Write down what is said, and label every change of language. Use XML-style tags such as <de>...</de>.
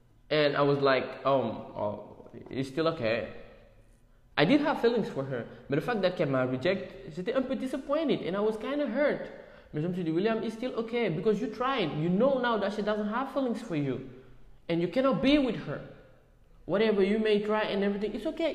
<en>And I was like, oh, it's still okay. I did have feelings for her.</en> <fr>Mais le fait qu'elle m'a reject, j'étais un peu disappointed.</fr> <en>And I was kind of hurt.</en> <fr>Mais je me suis dit,</fr> <en>William, it's still okay. Because you tried. You know now that she doesn't have feelings for you. And you cannot be with her. Whatever you may try and everything, it's okay.</en>